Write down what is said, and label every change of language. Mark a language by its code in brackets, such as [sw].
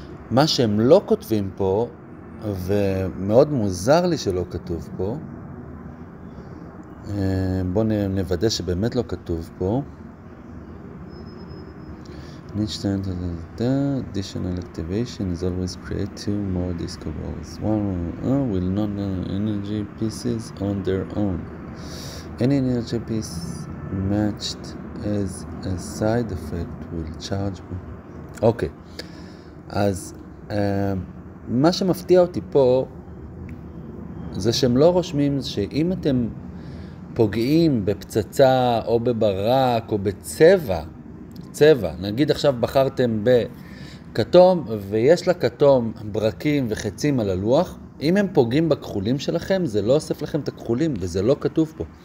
[he] מה שהם לא כותבים פה ומאוד מוזר לי שלא כתוב פה, בואו נוודא שבאמת לא כתוב פה, [en] additional activation is always create 2 more disco balls. One will not energy pieces on their own. Any energy piece matched as a side effect will charge. [he] אוקיי. אז מה שמפתיע אותי פה זה שהם לא רושמים שאם אתם פוגעים בפצצה או בברק או בצבע, צבע, נגיד עכשיו בחרתם בכתום ויש לכתום ברקים וחצים על הלוח, אם הם פוגעים בכחולים שלכם זה לא אוסף לכם את הכחולים, וזה לא כתוב פה.